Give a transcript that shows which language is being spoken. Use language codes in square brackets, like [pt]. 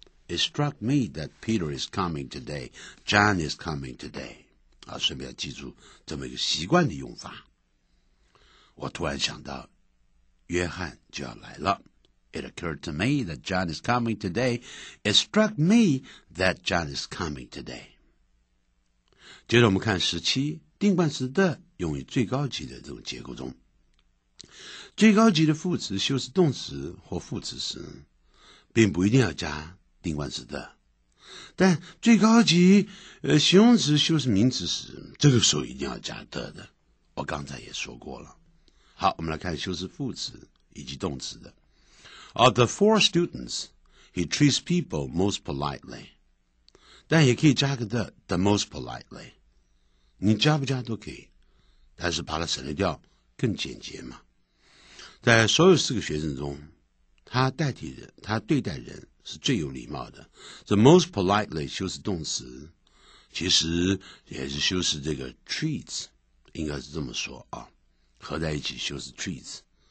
[en] It struck me that Peter is coming today. John is coming today. [zh] 啊顺便要记住这么一个习惯的用法。我突然想到约翰就要来了。 [en] It occurred to me that John is coming today. It struck me that John is coming today. [zh] 接着我们看17 定冠词的用于最高级的这种结构中。最高级的副词修饰动词或副词时，并不一定要加定冠词的，但最高级形容词修饰名词时，这个时候一定要加的。我刚才也说过了。好，我们来看修饰副词以及动词的。 [en] Of the four students, he treats people most politely. [zh] 但也可以加个 [en] the most politely. [zh] 你加不加都可以，但是把它省略掉更简洁嘛。在所有四个学生中，他对待人是最有礼貌的。 [en] The most politely [zh] 修饰动词，其实也是修饰这个 treats， 应该是这么说啊，合在一起修饰 treats。